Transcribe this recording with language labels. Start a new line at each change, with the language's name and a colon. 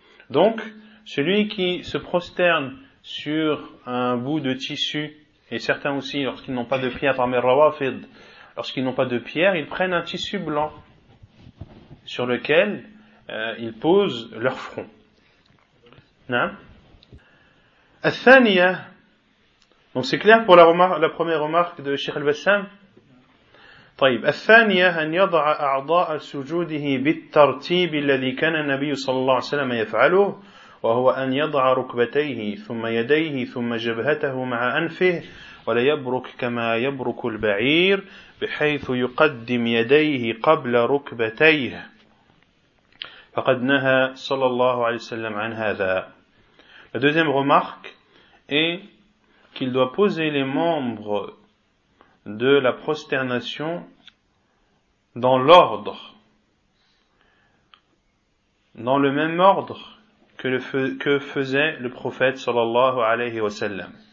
French: Donc, celui qui se prosterne sur un bout de tissu, et certains aussi, lorsqu'ils n'ont pas de pierre, parmi Rawafid, lorsqu'ils n'ont pas de pierre, ils prennent un tissu blanc sur lequel ils posent leur front. Al-Thaniya, donc c'est clair pour la première remarque de Cheikh Al-Bassam.
Arabic: Al-Thaniya, an yada'a a'da'a sujoudihi bit-tartib alladhi kana an-nabi sallallahu alayhi wa sallam yaf'aluh, وهو أن يضع ركبتيه ثم يديه ثم جبهته مع أنفه ولا يبرك كما يبرك البعير بحيث يقدم يديه قبل ركبتيه فقد نهى صلى الله عليه وسلم عن هذا.
French: La deuxième remarque est qu'il doit poser les membres de la prosternation dans l'ordre, dans le même ordre que faisait le prophète sallallahu alayhi wa sallam,